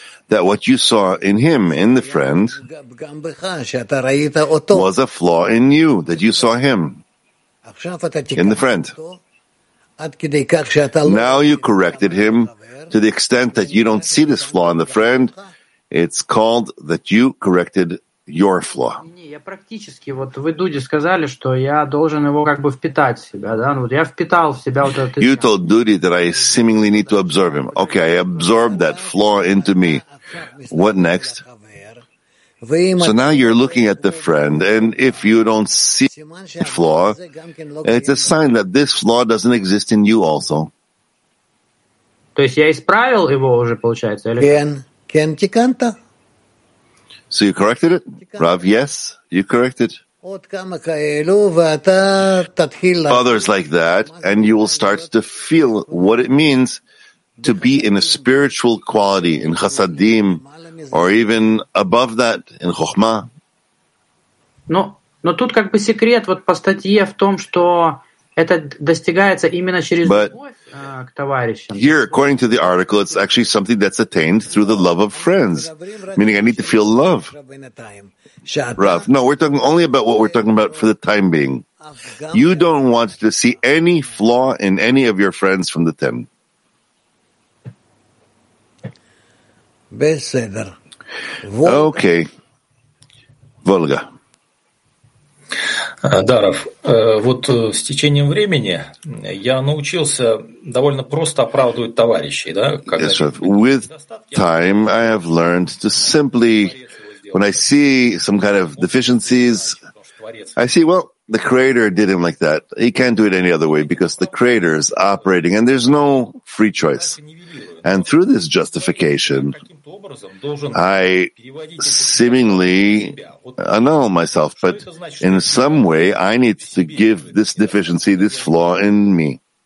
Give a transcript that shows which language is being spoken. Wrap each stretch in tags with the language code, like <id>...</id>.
<en>That what you saw in him, in the friend, was a flaw in you, that you saw him, in the friend. Now you corrected him to the extent that you don't see this flaw in the friend. It's called that you corrected your flaw.</en> <ru>Я практически, вот вы, Дуди, сказали, что я должен его как бы впитать в себя, да? Вот я впитал в себя вот этот...</ru> <en>You told Dudy that I seemingly need to absorb him. Okay, I absorbed that flaw into me. What next? So now you're looking at the friend, and if you don't see the flaw, it's a sign that this flaw doesn't exist in you also.</en> <ru>То есть я исправил его уже, получается, или...</ru> <he>Кен тиканта?</he> <en>So you corrected it, Rav? Yes, you corrected. Others like that, and you will start to feel what it means to be in a spiritual quality, in chasadim, or even above that, in chokhmah.</en> <ru>Но тут как бы секрет вот по статье в том, что это достигается именно через любовь к товарищам.</ru> <en>Here, according to the article, it's actually something that's attained through the love of friends. Meaning, I need to feel love. Rav, no, we're talking only about what we're talking about for the time being. You don't want to see any flaw in any of your friends from the ten. Okay. Volga.</en> <ru>Даров, вот с течением времени я научился довольно просто оправдывать товарищей, да?</ru> <en>Yes, Rav. With time, I have learned to simply, when I see some kind of deficiencies, I see, well, the Creator did him like that. He can't do it any other way because the Creator is operating and there's no free choice. And through this justification, I seemingly annul myself, but in some way I need to give this deficiency, this flaw in me.</en>